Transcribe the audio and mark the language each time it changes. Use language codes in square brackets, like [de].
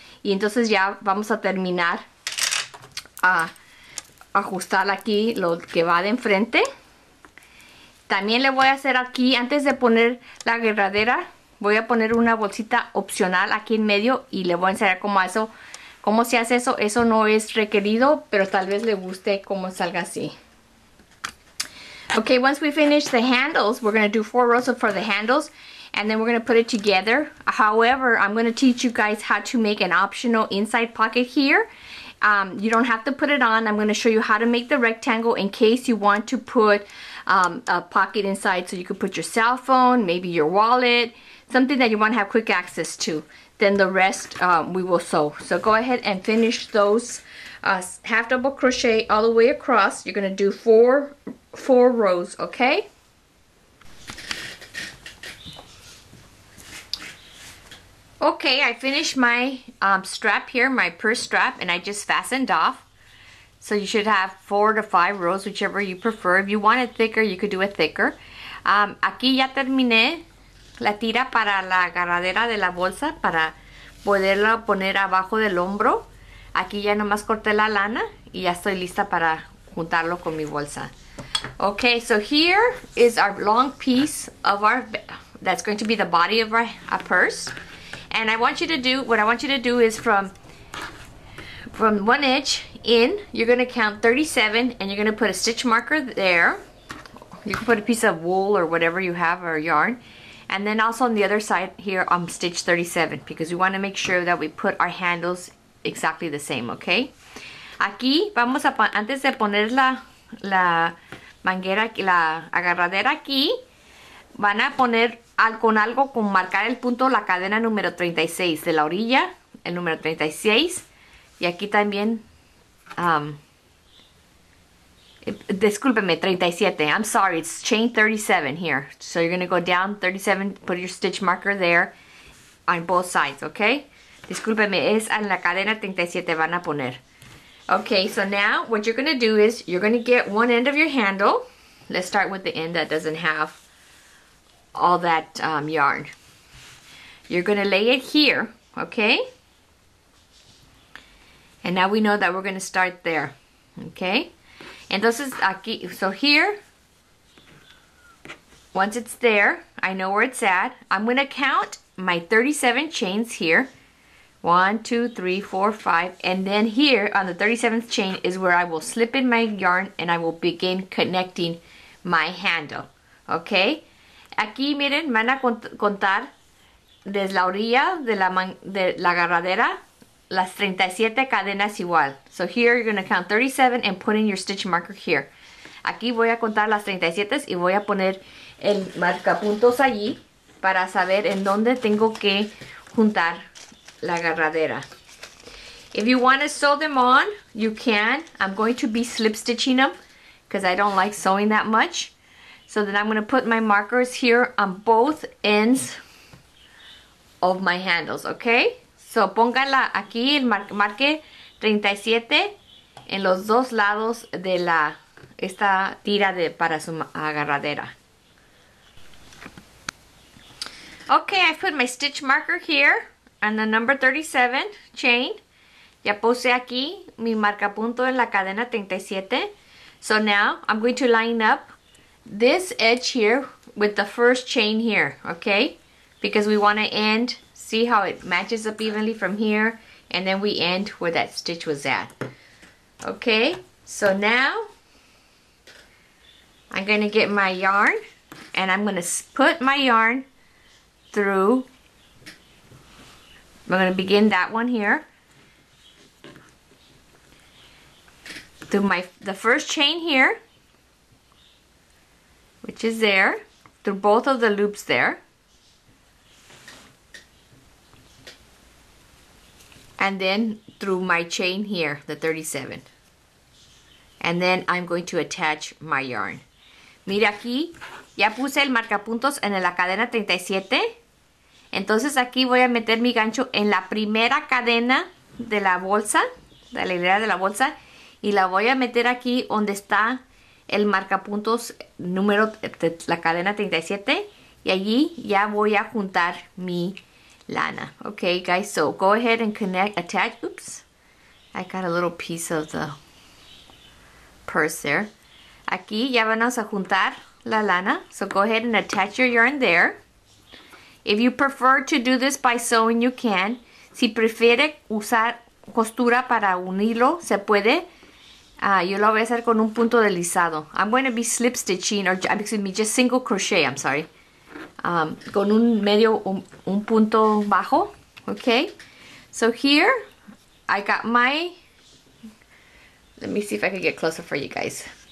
[es] Y entonces ya vamos a terminar a ajustar aquí lo que va de enfrente. También le voy a hacer aquí, antes de poner la agarradera, voy a poner una bolsita opcional aquí en medio. Y le voy a enseñar cómo se hace eso. Eso no es requerido, pero tal vez le guste cómo salga así. [en] Okay, once we finish the handles, we're going to do four rows for the handles, and then we're going to put it together. However, I'm going to teach you guys how to make an optional inside pocket here. You don't have to put it on. I'm going to show you how to make the rectangle in case you want to put a pocket inside, so you could put your cell phone, maybe your wallet, something that you want to have quick access to. then the rest we will sew. So go ahead and finish those half double crochet all the way across. You're gonna do four rows, okay? Okay, I finished my strap here, my purse strap, and I just fastened off. So you should have 4 to 5 rows, whichever you prefer. If you want it thicker, you could do it thicker. [es] Aquí ya terminé la tira para la agarradera de la bolsa para poderla poner abajo del hombro. Aquí ya nomás corté la lana y ya estoy lista para juntarlo con mi bolsa. [en] Okay, so here is our long piece of our, that's going to be the body of our purse. And I want you to do, what I want you to do is from 1 inch in, you're gonna count 37 and you're gonna put a stitch marker there. You can put a piece of wool or whatever you have or yarn. And then also on the other side here, I'm stitch 37 because we wanna make sure that we put our handles exactly the same, okay? [es] Aquí vamos a, antes de poner la manguera, la agarradera aquí, van a poner con algo, con marcar el punto, la cadena número 36 de la orilla, el número 36. Y aquí también, discúlpeme, 37. [en] I'm sorry, it's chain 37 here. So you're going to go down 37, put your stitch marker there on both sides, okay? [es] Discúlpeme, es en la cadena 37 van a poner. [en] Okay, so now what you're going to do is you're going to get one end of your handle. Let's start with the end that doesn't have all that yarn. You're gonna lay it here, okay? And now we know that we're gonna start there, okay? And this is aquí, so here, once it's there, I know where it's at. I'm gonna count my 37 chains here. 1, 2, 3, 4, 5, and then here on the 37th chain is where I will slip in my yarn and I will begin connecting my handle, okay? [es] Aquí, miren, van a contar desde la orilla de la agarradera las 37 cadenas igual. [en] So here you're going to count 37 and put in your stitch marker here. [es] Aquí voy a contar las 37 y voy a poner el marcapuntos allí para saber en dónde tengo que juntar la agarradera. [en] If you want to sew them on, you can. I'm going to be slip stitching them because I don't like sewing that much. So then I'm gonna put my markers here on both ends of my handles, okay? [es] So póngala aquí, marque 37 en los dos lados de esta tira para su agarradera. [en] Okay, I put my stitch marker here on the number 37 chain. [es] Ya puse aquí mi marcapunto en la cadena 37. [en] So now I'm going to line up this edge here with the first chain here, okay? Because we want to end, see how it matches up evenly from here, and then we end where that stitch was at. Okay, so now I'm going to get my yarn and I'm going to put my yarn through. I'm going to begin that one here through the first chain here, which is there, through both of the loops there. And then through my chain here, the 37. And then I'm going to attach my yarn. [es] Mira aquí, ya puse el marcapuntos en la cadena 37. Entonces aquí voy a meter mi gancho en la primera cadena de la bolsa, de la hilera de la bolsa, y la voy a meter aquí donde está el marcapuntos número de la cadena 37 y allí ya voy a juntar mi lana. [en] Okay guys, so go ahead and connect, attach, oops, I got a little piece of the purse there. [es] Aquí ya van a juntar la lana, [en] so go ahead and attach your yarn there. If you prefer to do this by sewing, you can. [es] Si prefiere usar costura para unirlo, se puede. Yo lo voy a hacer con un punto deslizado. [en] I'm going to be slip stitching, or excuse me, just single crochet, I'm sorry. [es] Con un medio, un punto bajo, okay? [en] So here, I got my, let me see if I can get closer for you guys.